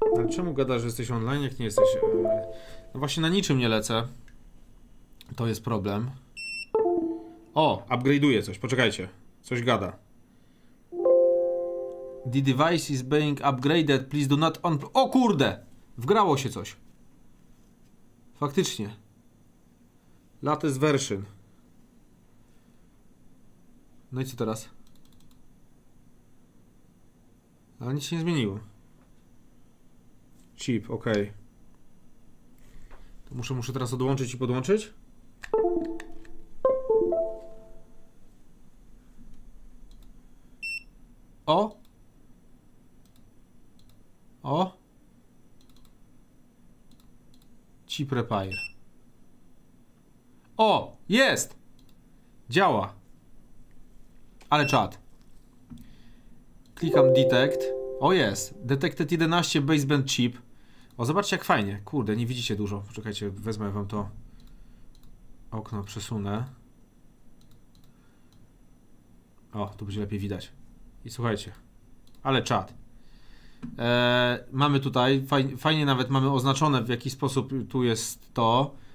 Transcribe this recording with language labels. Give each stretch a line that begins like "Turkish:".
Polish: Czemu gadasz, że jesteś online, jak nie jesteś? No właśnie na niczym nie lecę. To jest problem. O, upgrade'uję coś, poczekajcie. Coś gada.
English: The device is being upgraded, please do not on...
Polish: O kurde! Wgrało się coś. Faktycznie.
English: Latest version.
Polish: No i co teraz? Ale nic się nie zmieniło. Chip, ok. To muszę teraz odłączyć i podłączyć. O. O.
English: Chip repair.
Polish: O, jest. Działa. Ale czat. Klikam detect. O, jest.
English: Detected 11 baseband chip.
Polish: O, zobaczcie, jak fajnie. Kurde, nie widzicie dużo. Poczekajcie, wezmę wam to okno, przesunę. O, tu będzie lepiej widać. I słuchajcie, ale czat. Mamy tutaj, fajnie nawet mamy oznaczone, w jaki sposób tu jest to.